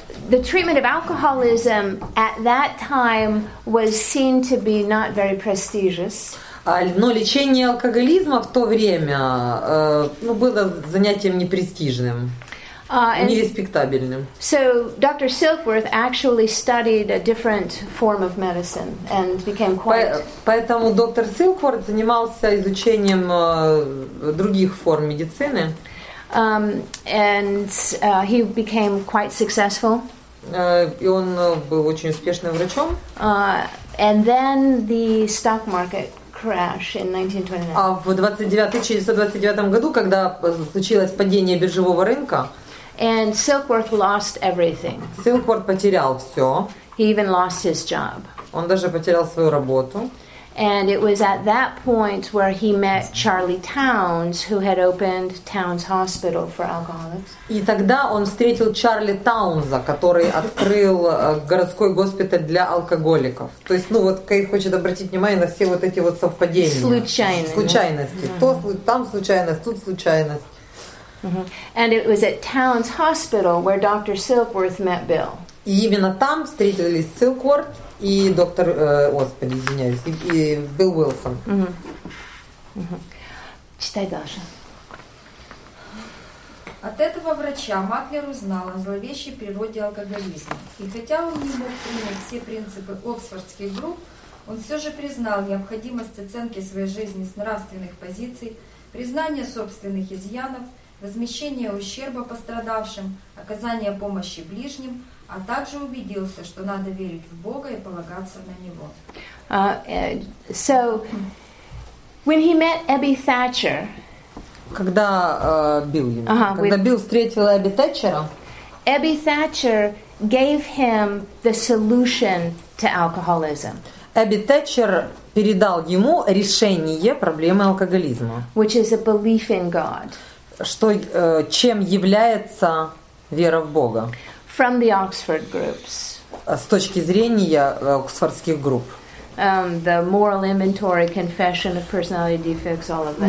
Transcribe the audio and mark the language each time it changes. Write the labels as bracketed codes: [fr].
[en] The treatment of alcoholism at that time was seen to be not very prestigious. [ru] Но лечение алкоголизма в то время было занятием непрестижным. Нереспектабельным. [en] So Dr. Silkworth actually studied a different form of medicine and became quite. [ru] Поэтому доктор Силкворт занимался изучением других форм медицины. [en] He became quite successful. [ru] И он был очень успешным врачом. [en] And then the stock market crash in 1929. [ru] А в 1929 году, когда случилось падение биржевого рынка. [en] And Silkworth lost everything. [ru] Silkworth потерял все. [en] He even lost his job. [ru] Он даже потерял свою работу. [en] And it was at that point where he met Charlie Townes, who had opened Townes Hospital for Alcoholics. [ru] И тогда он встретил Чарли Таунза, который открыл городской госпиталь для алкоголиков. То есть, Кей хочет обратить внимание на все вот эти вот совпадения. Случайности. Uh-huh. Там случайность, тут случайность. Mm-hmm. [en] And it was at Townes Hospital where Dr. Silkworth met Bill. [ru] И именно там встретились Силкворт и доктор, и Билл Уилсон. Mm-hmm. Mm-hmm. Читай дальше. От этого врача Маклер узнал о зловещей природе алкоголизма. И хотя он не мог принять все принципы оксфордских групп, он все же признал необходимость оценки своей жизни с нравственных позиций, признания собственных изъянов, возмещение ущерба пострадавшим, оказание помощи ближним, а также убедился, что надо верить в Бога и полагаться на Него. [en] So, when he met Abby Thatcher, [ru] когда Билл, когда Билл встретил Эбби Тэтчера, [en] Abby Thatcher gave him the solution to alcoholism. [ru] Эбби Тэтчер передал ему решение проблемы алкоголизма. [en] Which is a belief in God. [ru] Что, чем является вера в Бога? [en] From the Oxford groups. [ru] С точки зрения оксфордских групп. [en] The moral inventory, confession of personality defects, all of that.